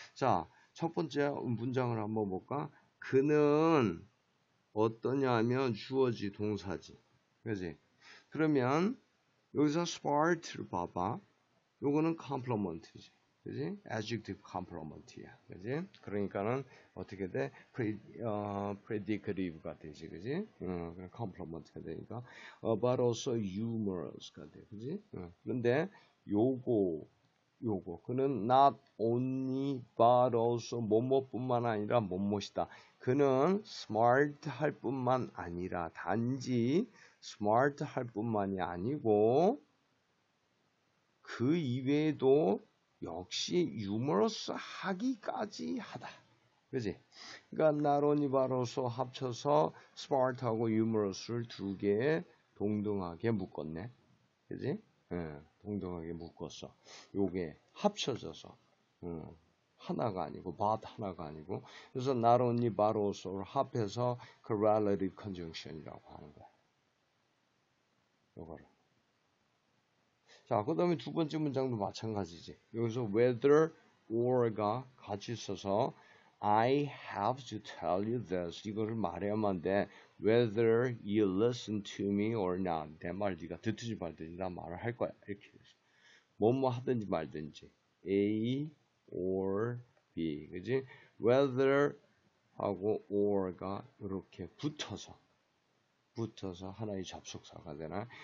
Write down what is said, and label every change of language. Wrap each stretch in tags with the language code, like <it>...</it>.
<ko>자, 첫 번째 문장을 한번 볼까? 그는 어떠냐면 주어지 동사지, 그지? 그러면 여기서 smart를 봐봐. 요거는 complement지. 그지? adjective complement이야. 그지? 그러니까는 어떻게 돼? predicative가 되지. 그지? complement가 되니까.</ko> <en>but also humorous가</en> <ko>돼. 그지? 근데 요거. 그는 not only but also 뭐뭐뿐만 아니라 뭐뭐시다. 그는 smart 할 뿐만 아니라 단지 smart 할 뿐만이 아니고 그 이외에도 역시 유머러스 하기까지 하다. 그지? 그러니까 나로니 바로서 합쳐서 스마트하고 유머러스를 두 개에 동등하게 묶었네. 그지? 동등하게 묶었어. 요게 합쳐져서 하나가 아니고 but 하나가 아니고 그래서 나로니 바로서를 합해서 그 relative conjunction이라고 하는 거야. 요거를. 자, 그 다음에 두 번째 문장도 마찬가지지. 여기서</ko> <en>whether or가</en> <ko>같이 써서</ko> <en>I have to tell you this.</en> <ko>이거를 말해야만 돼.</ko> <en>whether you listen to me or not.</en> <ko>내 말 네가 듣든지 말든지 나 말을 할 거야. 이렇게. 뭐뭐 하든지 말든지. A or B. 그지? whether하고 or가 이렇게 붙어서. 붙어서 하나의 접속사가 되나?</ko>